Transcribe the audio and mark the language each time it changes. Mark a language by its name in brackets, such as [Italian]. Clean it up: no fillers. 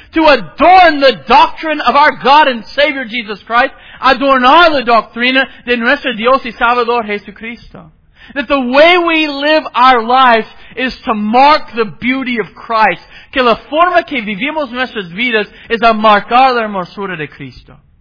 [English] To adorn the doctrine of our God and Savior Jesus Christ. [Spanish] Adornar la doctrina de nuestro Dios y Salvador Jesucristo. [English] That the way we live our lives is to mark the beauty of Christ. [Spanish] Que la forma que vivimos nuestras vidas es a marcar la hermosura de Cristo.